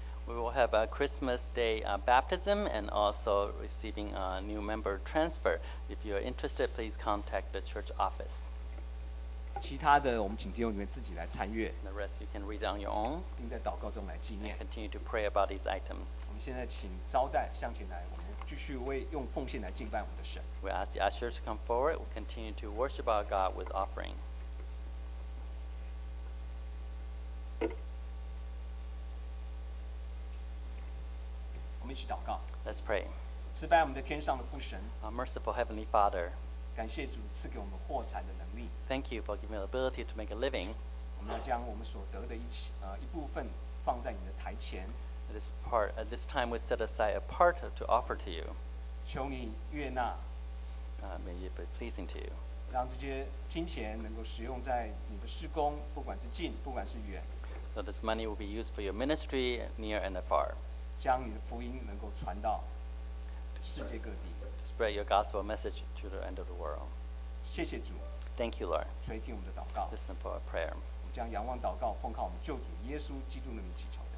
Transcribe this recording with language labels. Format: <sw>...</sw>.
<en>We will have a Christmas Day baptism and also receiving a new member transfer. If you are interested, please contact the church office.</en> <zh>其他的我们请弟兄姊妹自己来参阅。</zh> <en>The rest you can read on your own.</en> <zh>并在祷告中来纪念。</zh> <en>And continue to pray about these items.</en> <zh>我们现在请招待向前来，我们继续为用奉献来敬拜我们的神。</zh> <en>We ask the ushers to come forward. We continue to worship our God with offering.</en> <zh>我们一起祷告。</zh> <en>Let's pray.</en> <zh>慈拜我们的天上的父神。</zh> <en>Our merciful heavenly Father.</en> <zh>感谢主赐给我们获财的能力。</zh> <en>Thank you for giving the ability to make a living.</en> <zh>我们要将我们所得的一部分放在你的台前。</zh> <en>At this time we set aside a part to offer to you.</en> <zh>求你悦纳。</zh> <en>May it be pleasing to you.</en> <zh>让这些金钱能够使用在你的事工，不管是近，不管是远。</zh> <en>So this money will be used for your ministry near and afar.</en> <zh>将你的福音能够传到世界各地。</zh> <en>Spread your gospel message to the end of the world.</en> <zh>谢谢主。</zh> <en>Thank you, Lord.</en> <zh>垂听我们的祷告。</zh> <en>Listen for our prayer.</en> <zh>我们将仰望祷告，奉靠我们救主耶稣基督的名祈求的。</zh>